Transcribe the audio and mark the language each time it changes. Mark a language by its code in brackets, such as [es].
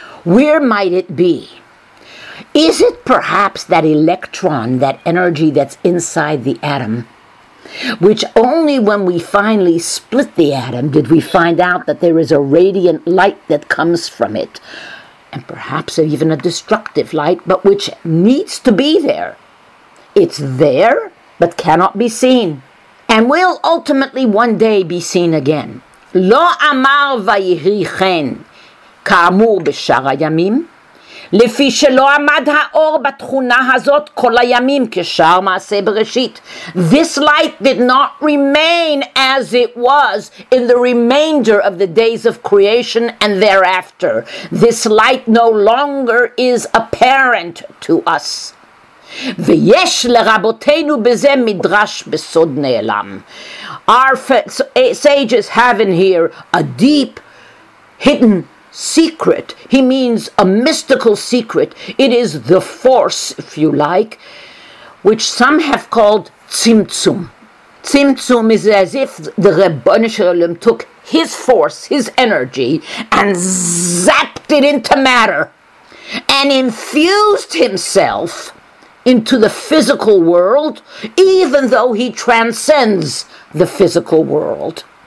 [en] Where might it be? Is it perhaps that electron, that energy that's inside the atom, which only when we finally split the atom did we find out that there is a radiant light that comes from it, and perhaps even a destructive light, but which needs to be there. It's there, but cannot be seen, and will ultimately one day be seen again. [he] Lo amar vayihi chen kamur b'shar hayamim, לפי שלא עמד האור בתכונה הזאת כל הימים כשאר מעשה בראשית. [en] This light did not remain as it was in the remainder of the days of creation and thereafter. This light no longer is apparent to us. [he] ויש לרבותינו בזה מדרש בסוד נעלם. [en] Our sages have in here a deep, hidden secret. He means a mystical secret. It is the force, if you like, which some have called Tzimtzum. Tzimtzum is as if the Rebbeinu Shel Olam took his force, his energy, and zapped it into matter, and infused himself into the physical world, even though he transcends the physical world.